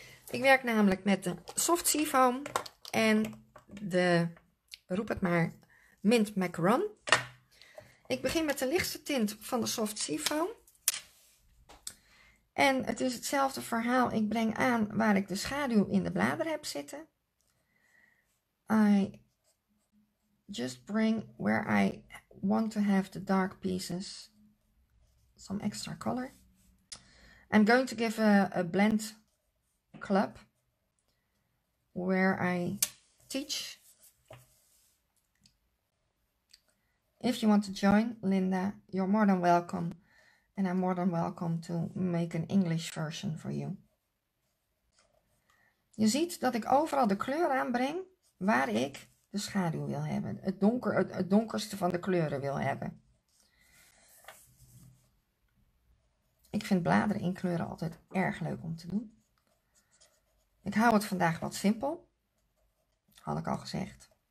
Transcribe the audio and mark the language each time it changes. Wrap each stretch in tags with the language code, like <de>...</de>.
<nl>Ik werk namelijk met de Soft Seafoam en de, roep het maar, Mint Macaron. Ik begin met de lichtste tint van de Soft Seafoam. En het is hetzelfde verhaal. Ik breng aan waar ik de schaduw in de bladeren heb zitten.</nl> <en>I just bring where I want to have the dark pieces some extra color. I'm going to give a blend club where I teach If you want to join, Linda, you're more than welcome. And I'm more than welcome to make an English version for you.</en> <nl>Je ziet dat ik overal de kleur aanbreng waar ik de schaduw wil hebben. Het donkerste van de kleuren wil hebben. Ik vind bladeren in kleuren altijd erg leuk om te doen. Ik hou het vandaag wat simpel. Had ik al gezegd.</nl>